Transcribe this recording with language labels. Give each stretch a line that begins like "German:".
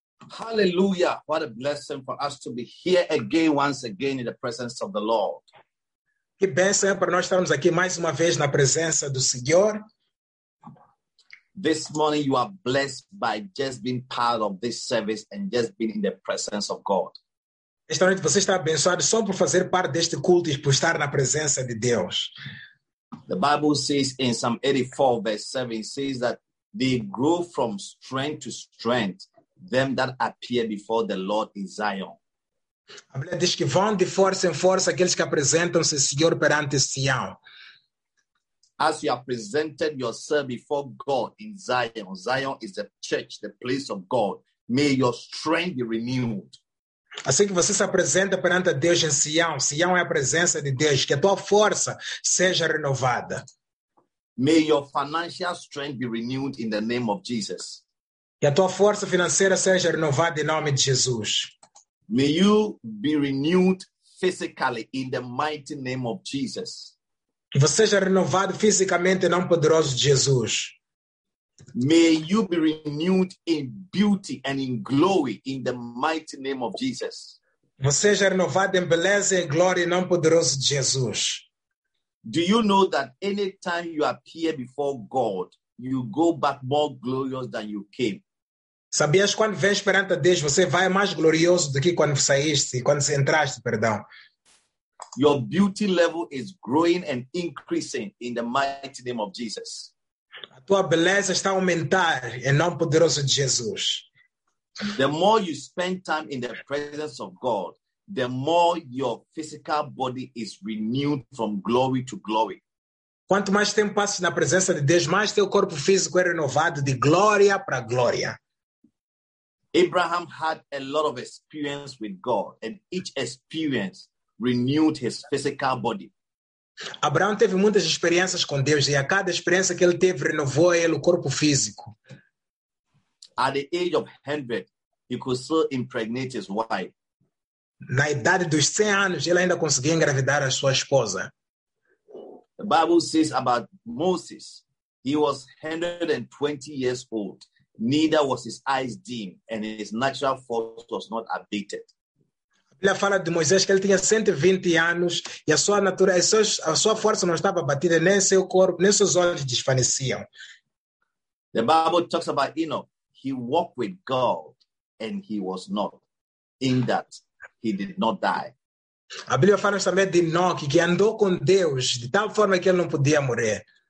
English: Hallelujah, what a blessing for us to be here again, once again, in the presence of the Lord.
Portuguese: Que bênção para nós estarmos aqui mais uma vez na presença do Senhor.
English: This morning you are blessed by just being part of this service and just being in the presence of God.
Portuguese: Esta noite você está abençoado só por fazer parte deste culto e por estar na presença de Deus.
English: The Bible says in Psalm 84, verse 7, says that they grow from strength to strength. Them that appear before the Lord in Zion.
Portuguese: A Bíblia diz que vão de força em força aqueles que apresentam-se ao Senhor perante Sião.
English: As you have presented yourself before God in Zion. Zion is the church, the place of God. May your strength be renewed.
Portuguese: Assim que você se apresenta perante Deus em Sião, Sião é a presença de Deus, que a tua força seja renovada.
English: May your financial strength be renewed in the name of Jesus.
Portuguese: Que a tua força financeira seja renovada em nome de Jesus.
English: May you be renewed physically in the mighty name of Jesus.
Portuguese: Que você seja renovado fisicamente em nome poderoso de Jesus.
English: May you be renewed in beauty and in glory in the mighty name of Jesus.
Portuguese: Que você seja renovado em beleza e em glória em nome poderoso de Jesus.
English: Do you know that anytime you appear before God, you go back more glorious than you came?
Portuguese: Sabias quando vens perante a Deus, você vai mais glorioso do que quando saíste, quando entraste, perdão.
English: Your beauty level is growing and increasing in the mighty name of Jesus.
Portuguese: A tua beleza está a aumentar em nome poderoso de Jesus.
English: The more you spend time in the presence of God, the more your physical body is renewed from glory to glory.
Portuguese: Quanto mais tempo passas na presença de Deus, mais teu corpo físico é renovado de glória para glória.
English: Abraham had a lot of experience with God, and each experience renewed his physical body.
Portuguese: Abraão teve muitas experiências com Deus, e a cada experiência que ele teve, renovou ele o corpo físico.
English: At the age of 100, he could still impregnate his wife.
Portuguese: Na idade dos 100 anos, ele ainda conseguia engravidar a sua esposa.
English: The Bible says about Moses, he was 120 years old, neither was his eyes dim, and his natural force was not abated.
Portuguese: A Bíblia fala de Moisés que ele tinha 120 anos e a sua natureza, a sua força não estava abatida, nem seu corpo, nem seus olhos desfaleciam.
English: The Bible talks about Enoch, he walked with God and he was not, in that he did not die.
Portuguese: A Bíblia fala também de Enoque, que andou com Deus de tal forma que ele não podia morrer.